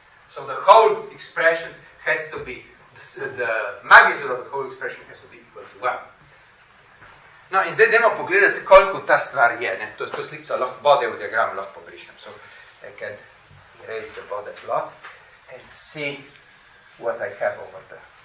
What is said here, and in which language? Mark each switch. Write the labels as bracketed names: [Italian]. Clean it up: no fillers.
[English] So the whole expression has to be, the magnitude of the whole expression has to be equal to 1. [Slovenian] No, in zdaj dajmo pogledati, koliko ta stvar je. Ne? To slikco lahko bode v diagram lahko pobrišem. [English] So I can erase the bode plot and see what I have over there.